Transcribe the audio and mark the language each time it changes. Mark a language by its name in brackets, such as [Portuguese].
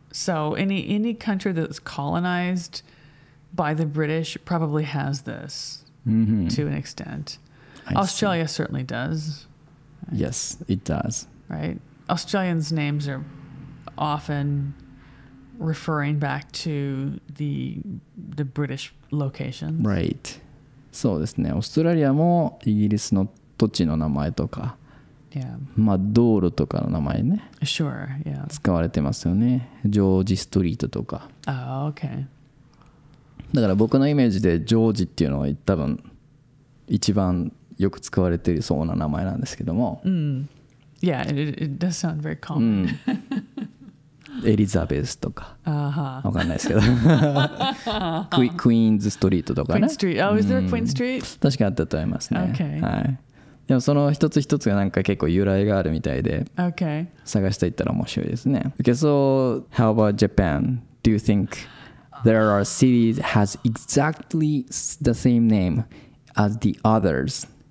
[English] So any country that's colonized by the British probably has this、 mm-hmm. to an extent. Australia certainly does. Yes, it does. Right? Australians' names areoften referring back to the British locations. Right. [Japanese] そうですね。オーストラリアもイギリスの土地の名前とか、 [English] yeah. [Japanese] まあ道路とかの名前ね。 [English] Sure, yeah. [Japanese] 使われてますよね。ジョージストリートとか。 [English] Oh, okay. [Japanese] だから僕のイメージでジョージっていうのは多分一番よく使われてるそうな名前なんですけども。うん。 [English] Yeah, it does sound very common. うん。 [Japanese] エリザベスとか、 uh-huh. わかんないですけど、クイーンズストリートとかね。 [English] クイーンストリート、oh, is there a Queen Street? [Japanese] 確かあったと思いますね。 [English] Okay. [Japanese] はい。でもその一つ一つがなんか結構由来があるみたいで、 [English] okay. [Japanese] 探していったら面白いですね。 [English] Okay, so how about Japan? Do you think there are cities has exactly the same name as the others?